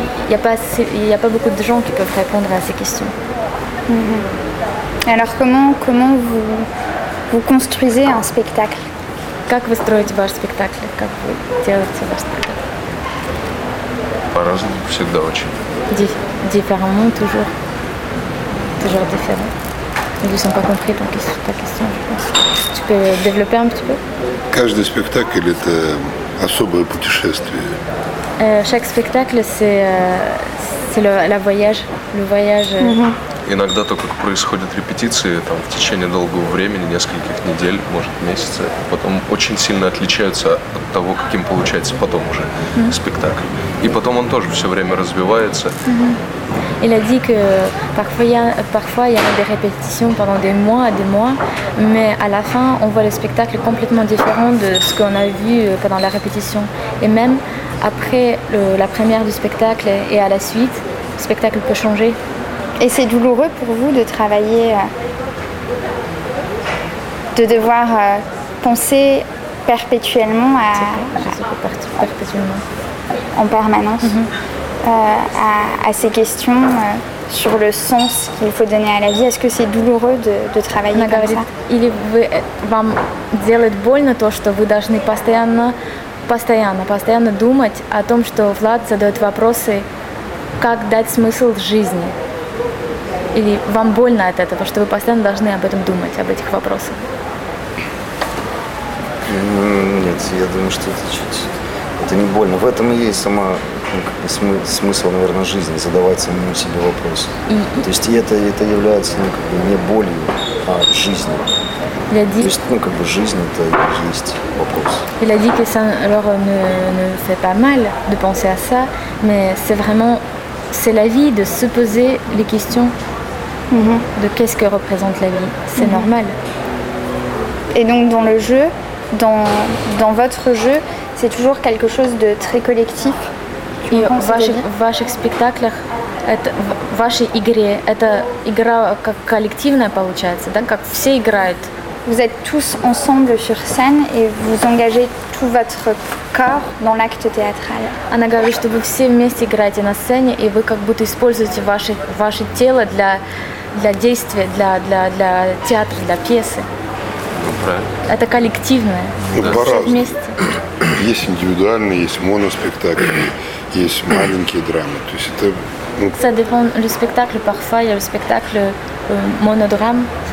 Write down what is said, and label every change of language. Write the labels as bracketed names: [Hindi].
[French] Il y a pas beaucoup de gens qui peuvent répondre à ces questions. Mm-hmm. Alors comment vous construisez un spectacle? [Russian] Как вы строите ваш спектакль? Как вы делаете ваш спектакль? По-разному, всегда очень. [French] Différemment, toujours. Toujours différent. Ils ne sont pas compris ta question. Tu peux développer un petit peu? [Russian] Каждый спектакль – это особое путешествие. [French] Chaque spectacle, c'est le voyage. Le voyage. [Russian] Иногда то, как происходят репетиции там, в течение долгого времени, нескольких недель, может месяца, потом очень сильно отличаются от того, каким получается потом уже спектакль. И потом он тоже все время развивается. [French] Il a dit que parfois il y a des répétitions pendant des mois, des mois, mais à la fin on voit le spectacle complètement différent de ce qu'on a vu pendant la répétition. Et même après la première du spectacle et à la suite, le spectacle peut changer. Et c'est douloureux pour vous de travailler, de devoir penser perpétuellement à. Perpétuellement. En permanence. Mm-hmm. À ces questions sur le sens qu'il faut donner à la vie. Est-ce que c'est douloureux de travailler comme [Russian] говорит, [French] ça? [Russian] Или вам делает больно то, что вы должны постоянно думать о том, что Влад задает вопросы, как дать смысл жизни? Или вам больно от этого, что вы постоянно должны об этом думать, об этих вопросах? Нет, я думаю, что это не больно. В этом и есть сама смысл, наверное, жизни, задавать самому себе вопросы. То есть это является не болью, а жизнью. То есть, жизнь – это есть вопрос. [French] Il a dit que ça leur ne fait pas mal de penser à ça, mais c'est vraiment, c'est la vie de se poser les questions. Mm-hmm. De qu'est-ce que représente la vie, c'est normal. Et donc dans le jeu, dans votre jeu, c'est toujours quelque chose de très collectif. [Russian] И ваших спектаклях, это в вашей игре, это игра как коллективная получается, да, как все играют [French] vous êtes tous ensemble sur scène et vous engagez tout votre corps dans l'acte théâtral. [Russian] Она говорит, что вы все вместе играете на сцене и вы как будто используете ваше тело для действия, для театра, для пьесы. Правильно. Это коллективное. Ну, да. По-разному. Есть индивидуальные, есть моноспектакли, есть маленькие драмы. То есть это, [French] ну... Ça dépend du spectacle. Parfois, il y a le spectacle monodrame.